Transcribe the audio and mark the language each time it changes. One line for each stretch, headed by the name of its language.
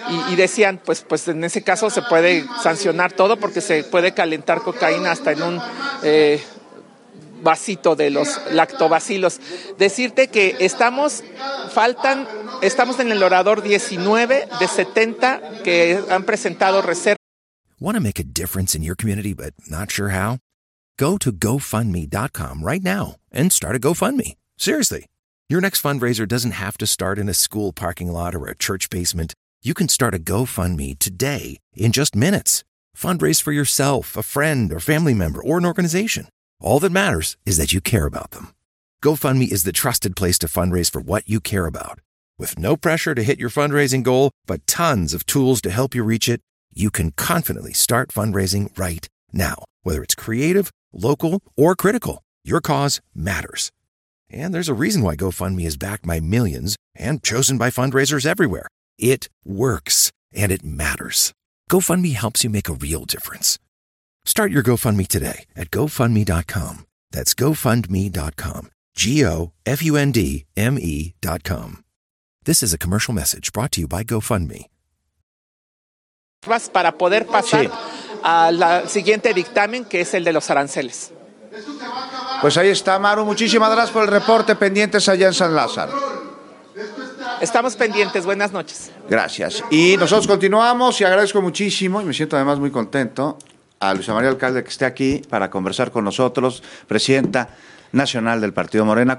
Spanish: y decían, pues en ese caso se puede sancionar todo, porque se puede calentar cocaína hasta en un vasito de los lactobacilos. Decirte que estamos en el orador 19 de 70 que han presentado reserva.
English: Want to make a difference in your community but not sure how? Go to GoFundMe.com right now and start a GoFundMe. Seriously, your next fundraiser doesn't have to start in a school parking lot or a church basement. You can start a GoFundMe today in just minutes. Fundraise for yourself, a friend, or family member, or an organization. All that matters is that you care about them. GoFundMe is the trusted place to fundraise for what you care about. With no pressure to hit your fundraising goal, but tons of tools to help you reach it, you can confidently start fundraising right now. Whether it's creative, local, or critical, your cause matters. And there's a reason why GoFundMe is backed by millions and chosen by fundraisers everywhere. It works, and it matters. GoFundMe helps you make a real difference. Start your GoFundMe today at GoFundMe.com. That's GoFundMe.com. GoFundMe.com. This is a commercial message brought to you by GoFundMe.
Spanish: Para poder pasar al siguiente dictamen, que es el de los aranceles. Pues ahí está, Maru. Muchísimas gracias por el reporte. Pendientes allá en San Lázaro. Estamos pendientes, buenas noches. Gracias, y nosotros continuamos y agradezco muchísimo, y me siento además muy contento, a Luisa María Alcalde que esté aquí para conversar con nosotros, presidenta nacional del Partido Morena.